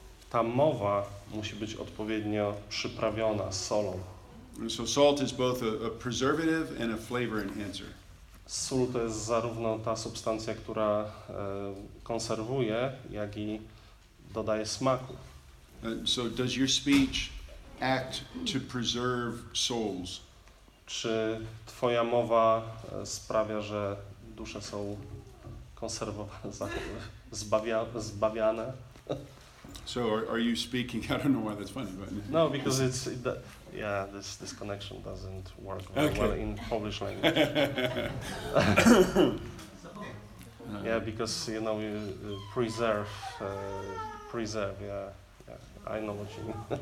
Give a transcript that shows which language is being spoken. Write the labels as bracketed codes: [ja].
[pl] Ta mowa musi być odpowiednio przyprawiona solą. [en] So salt is both a preservative and a flavor enhancer. [pl] Sól to jest zarówno ta substancja, która konserwuje, jak i dodaje smaku. [en] So does your speech act to preserve souls? [pl] Czy twoja mowa sprawia, że dusze są konserwowane? Zbawiane. [en] So are you speaking? I don't know why that's funny, but no, because it's this connection doesn't work very okay. well in Polish language. Yeah, because you know you preserve. Yeah, I know what you mean.